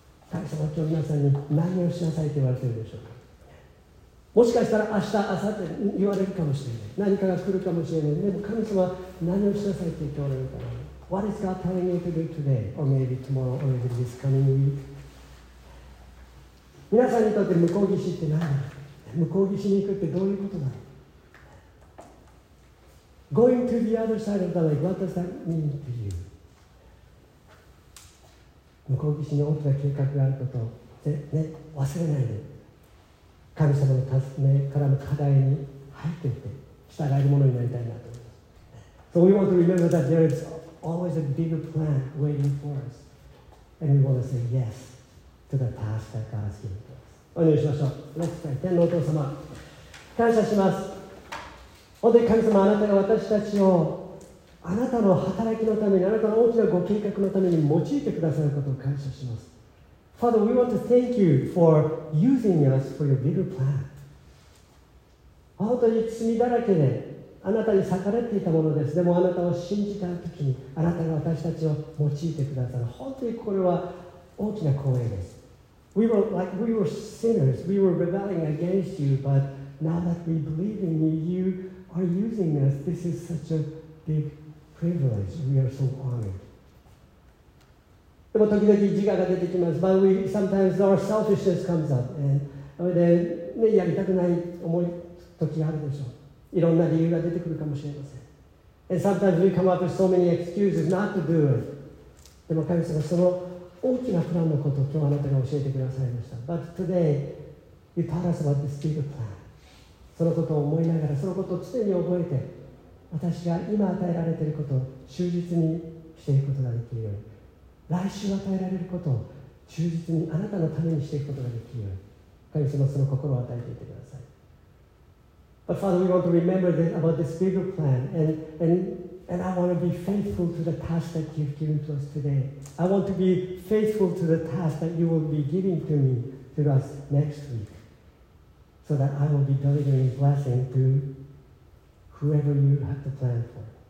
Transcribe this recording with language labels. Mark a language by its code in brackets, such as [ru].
[ja] 神様は今日皆さんに何をしなさいと言われているでしょうか。もしかしたら明日、明後日言われるかもしれない。何かが来るかもしれない。でも神様は何をしなさいと言っておられるかな。 [en] What is God telling you to do today? Or maybe tomorrow, or maybe this coming week? [ja] 皆さんにとって向こう岸って何だ。向こう岸に行くってどういうことだ。 [en] Going to the other side of the lake, what does that mean to you? [ja] 向こう岸に大きな計画があることを、ね、忘れないで、神様の助けからの課題に入っていって従えるものになりたいなと思います。 [en] So we want to remember that there is always a bigger plan waiting for us, and we want to say yes to the task that God has given. [ja] お願いしましょう。 [en] Let's pray. [ja] 天皇お父様、感謝します。本当に神様、あなたが私たちをあなたの働きのために、あなたの大きなご計画のために用いてくださることを感謝します。 [en] Father, we want to thank you for using us for your bigger plan. [ja] 本当に罪だらけであなたに逆らっていたものです。でもあなたを信じた時に、あなたが私たちを用いてくださる、本当にこれは大きな光栄です。 [en] We were like, we were sinners. We were rebelling against you, but now that we believe in you, you are using us. This is such a big privilege. We are so honored. [ja] でも時々自我が出てきます。 [en] But we sometimes our selfishness comes up. And then、 [ja] ね、やりたくない思い時があるでしょう。いろんな理由が出てくるかもしれません。 [en] And sometimes we come up with so many excuses not to do it. [ja] でも神様その大きなプランのことを今日あなたが教えてくださいました。 [en] But today, you taught us about this big plan. [ja] そのことを思いながら、そのことを常に覚えて、私が今与えられていることを忠実にしていくことができるように。来週与えられることを忠実にあなたのためにしていくことができるように。神様その心を与えていてください。 [en] But Father, we want to remember that about this big plan and I want to be faithful to the task that you've given to us today. I want to be faithful to the task that you will be giving to me to us next week. So that I will be delivering blessing to whoever you have the plan for.